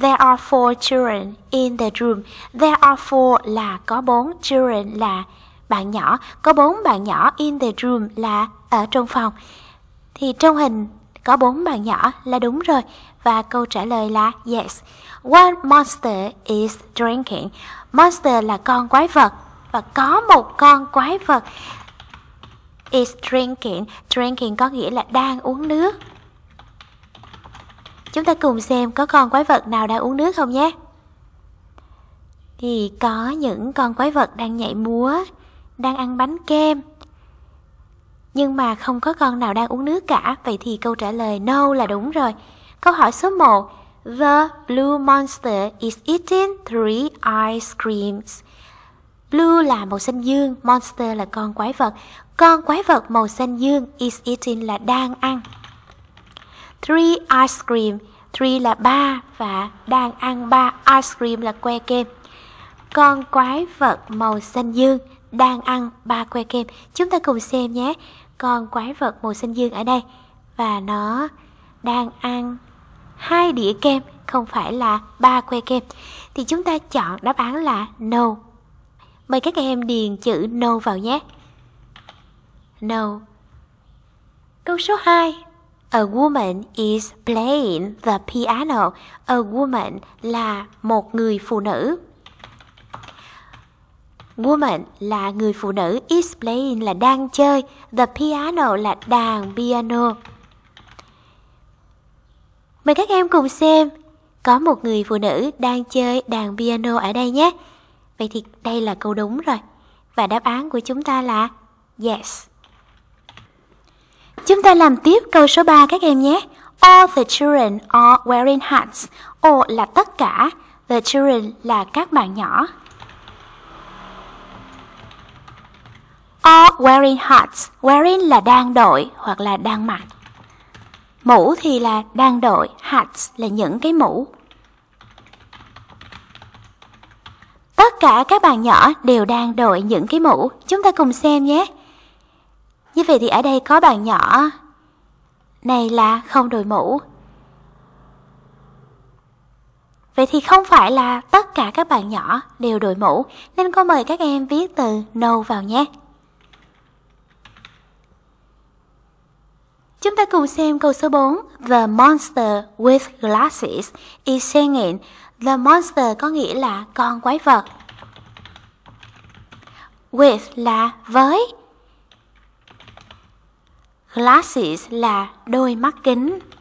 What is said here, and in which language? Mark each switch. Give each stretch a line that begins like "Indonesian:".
English: There are 4 children in the room. There are 4
Vietnamese: là có 4, children là bạn nhỏ. Có 4 bạn nhỏ,
English: in the room
Vietnamese: là ở trong phòng. Thì trong hình có 4 bạn nhỏ là đúng rồi. Và câu trả lời là yes.
English: One monster is drinking.
Vietnamese: Monster là con quái vật. Và có một con quái vật
English: is drinking.
Vietnamese: Drinking có nghĩa là đang uống nước. Chúng ta cùng xem có con quái vật nào đang uống nước không nhé. Thì có những con quái vật đang nhảy múa, đang ăn bánh kem. Nhưng mà không có con nào đang uống nước cả. Vậy thì câu trả lời no là đúng rồi. Câu hỏi số 1.
English: The blue monster is eating 3 ice creams.
Vietnamese: Blue là màu xanh dương, monster là con quái vật. Con quái vật màu xanh dương
English: is eating
Vietnamese: là đang ăn. 3 ice cream, 3 là 3 và đang ăn 3 ice cream là que kem. Con quái vật màu xanh dương đang ăn 3 que kem. Chúng ta cùng xem nhé. Con quái vật màu xanh dương ở đây và nó đang ăn 2 đĩa kem, không phải là 3 que kem. Thì chúng ta chọn đáp án là no. Mời các em điền chữ no vào nhé. No. Câu số 2.
English: A woman is playing the piano. A woman
Vietnamese: là một người phụ nữ. Woman là người phụ nữ.
English: Is playing
Vietnamese: là đang chơi.
English: The piano
Vietnamese: là đàn piano. Mời các em cùng xem. Có một người phụ nữ đang chơi đàn piano ở đây nhé. Vậy thì đây là câu đúng rồi. Và đáp án của chúng ta là yes. Chúng ta làm tiếp câu số 3 các em nhé.
English: All the children are wearing hats.
Vietnamese: All là tất cả.
English: The children
Vietnamese: là các bạn nhỏ.
English: All wearing hats.
Vietnamese: Wearing là đang đội hoặc là đang mặc. Mũ thì là đang đội. Hats là những cái mũ. Tất cả các bạn nhỏ đều đang đội những cái mũ. Chúng ta cùng xem nhé. Như vậy thì ở đây có bạn nhỏ này là không đội mũ. Vậy thì không phải là tất cả các bạn nhỏ đều đội mũ. Nên cô mời các em viết từ no vào nhé. Chúng ta cùng xem câu số 4.
English: The monster with glasses is singing. The monster
Vietnamese: có nghĩa là con quái vật. With là với. Glasses là đôi mắt kính.